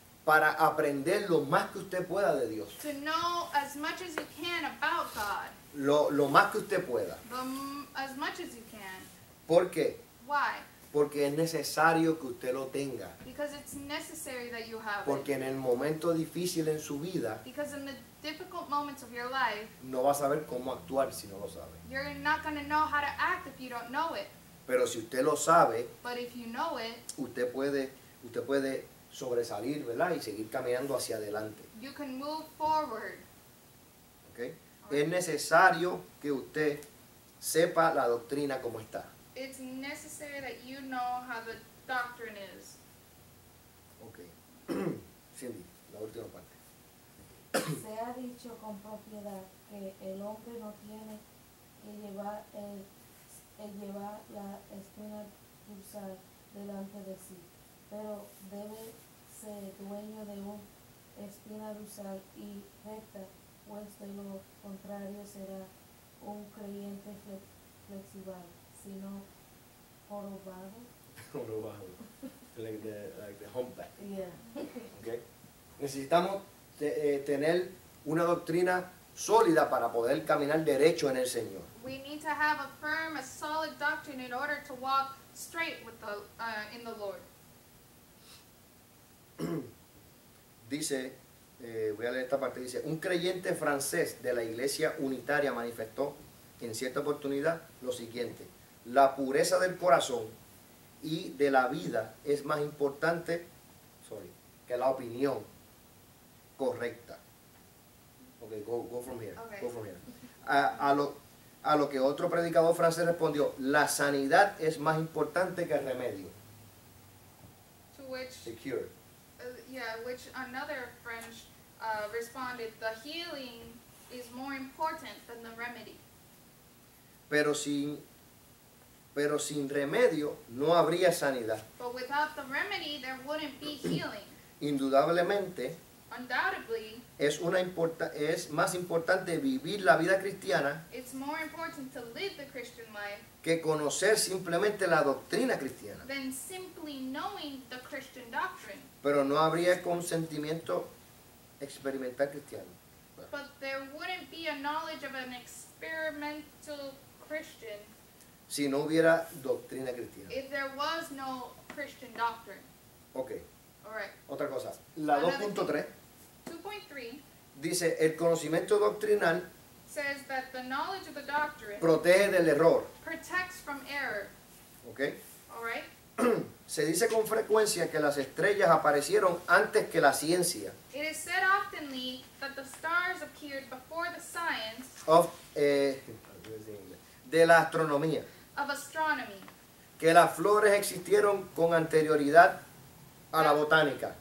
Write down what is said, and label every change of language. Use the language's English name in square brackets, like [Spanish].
[Spanish] Para aprender lo más que usted pueda de Dios. [English] To know as much as you can about God. [Spanish] Lo más que usted pueda. [English] As much as you can. [Spanish] ¿Por qué? [English] Why? [Spanish] Porque es necesario que usted lo tenga. [English] Because it's necessary that you have [Spanish] Porque [English] it. [Spanish] En el momento difícil en su vida, [English] Because in the difficult moments of your life, [Spanish] no va a saber cómo actuar si no lo sabe. [English] You're not going to know how to act if you don't know it. [Spanish] Pero si usted lo sabe, [English] But if you know it, [Spanish] usted puede sobresalir, ¿verdad? Y seguir caminando hacia adelante. [English] You can move forward. Okay. [Spanish] Es necesario que usted sepa la doctrina como está. [English] It's necessary that you know how the doctrine is. [Spanish] Okay. Cindy, la última parte. Se ha dicho con propiedad que el hombre no tiene que llevar llevar la espina dorsal delante de sí, pero debe ser dueño de una espina dorsal y recta, pues de lo contrario será un creyente flexible. Sino [English] jorobado. like the humpback. Yeah. Okay. [Spanish] Necesitamos tener una doctrina sólida para poder caminar derecho en el Señor. [English] We need to have a firm, a solid doctrine in order to walk straight with the in the Lord. [Spanish] Dice, voy a leer esta parte, dice, un creyente francés de la Iglesia Unitaria manifestó en cierta oportunidad lo siguiente: la pureza del corazón y de la vida es más importante que la opinión correcta. [English] Okay, go from here. Okay. Go from here. [Spanish] A lo que otro predicador francés respondió, la sanidad es más importante que el remedio. [English] To which, the cure. Which another French responded, the healing is more important than the remedy. [Spanish] Pero sin remedio no habría sanidad. [English] But without the remedy, there wouldn't be healing. [Spanish] Indudablemente, [English] undoubtedly, [Spanish] es más importante vivir la vida cristiana, [English] it's more important to live the Christian life, [Spanish] que conocer simplemente la doctrina cristiana, [English] than simply knowing the Christian doctrine. [Spanish] Pero no habría consentimiento experimental cristiano. [English] But there wouldn't be a knowledge of an experimental Christian. [Spanish] Si no hubiera doctrina cristiana. [English] If there was no Christian doctrine. Okay. All right. [Spanish] Otra cosa. La 2.3. [English] 2.3. [Spanish] Dice, el conocimiento doctrinal. [English] Says that the knowledge of the doctrine. [Spanish] Protege del error. [English] Protects from error. Okay. All right. [Spanish] Se dice con frecuencia que las estrellas aparecieron antes que la ciencia. [English] It is said oftenly that the stars appeared before the science. [Spanish] Of, de la astronomía. [English] Of astronomy. [Spanish] Que las flores existieron con anterioridad a la botánica.